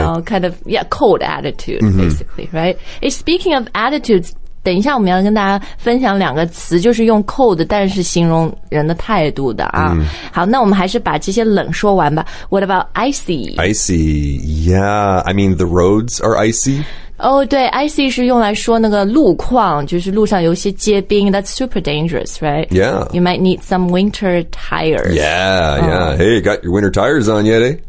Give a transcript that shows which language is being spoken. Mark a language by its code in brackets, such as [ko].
[en] You know, kind of yeah, cold attitude basically,、mm-hmm. right? And speaking of attitudes. [zh] 等一下我们要跟大家分享两个词就是用 cold 但是形容人的态度的啊。好那我们还是把这些冷说完吧 [en] What about icy? Icy, yeah I mean the roads are icy [zh] Oh 对 icy 是用来说那个路况就是路上有些结冰 [en] That's super dangerous, right? Yeah You might need some winter tires Yeah, Hey, got your winter tires on yet, eh?